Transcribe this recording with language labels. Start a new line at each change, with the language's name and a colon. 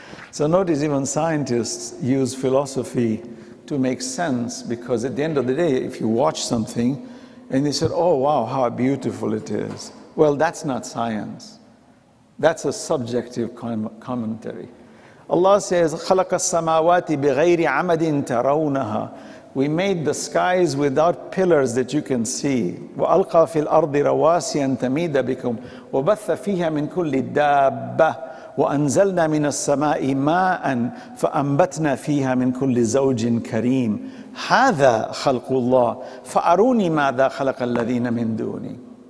English: So notice, even scientists use philosophy to make sense, because at the end of the day, if you watch something and they said, oh, wow, how beautiful it is. Well, that's not science. That's a subjective commentary. Allah says,
Arabic: خَلَقَ السَّمَاوَاتِ بِغَيْرِ عَمَدٍ تَرَوْنَهَا.
English: We made the skies without pillars that you can see.
Arabic: وَأَلْقَى فِي الْأَرْضِ رَوَاسِيًا تَمِيدَ بِكُمْ وَبَثَّ فِيهَا مِنْ كُلِّ دَابَّةِ وَأَنْزَلْنَا مِنَ السَّمَاءِ مَاءً فَأَنْبَتْنَا فِيهَا مِنْ كُلِّ زَوْجٍ كَرِيمٍ هَذَا خَلْقُ اللَّهِ فَأَرُونِي مَاذَا خَلَقَ الَّذِينَ مِنْ دُونِي.